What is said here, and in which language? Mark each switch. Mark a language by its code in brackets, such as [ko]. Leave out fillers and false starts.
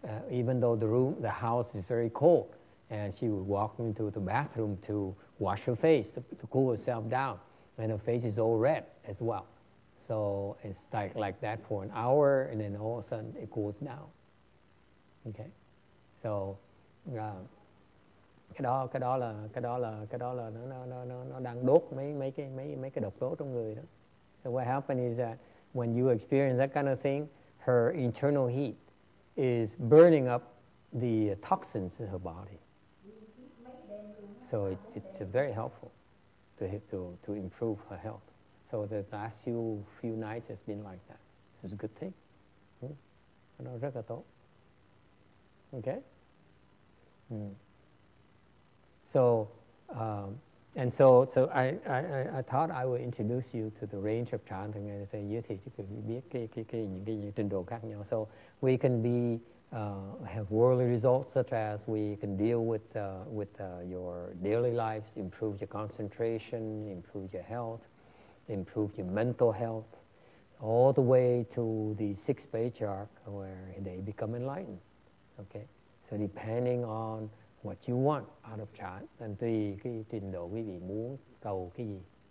[en] Even though the house is very cold, and she would walk into the bathroom to wash her face, to cool herself down, and her face is all red as well. So it's like that for an hour, and then all of a sudden it cools down. Okay? [vi] So, cái đó là nó đang đốt mấy cái độc tố trong người đó. [en] So what happened is that when you experience that kind of thing, her internal heat is burning up the toxins in her body. So it's very helpful to improve her health. So the last few nights has been like that. This is a good thing. [vi] Nó rất là tốt. [en] Okay? So I thought I would introduce you to the range of chanting and [vi] giới thiệu cho quý vị biết những cái trình độ khác nhau. [en] So we can be have worldly results, such as we can deal with your daily lives, improve your concentration, improve your health, improve your mental health, all the way to the sixth patriarch where they become enlightened. Okay, so depending on what you want out of chant, then [vi] tùy cái trình độ quý vị muốn cầu cái gì.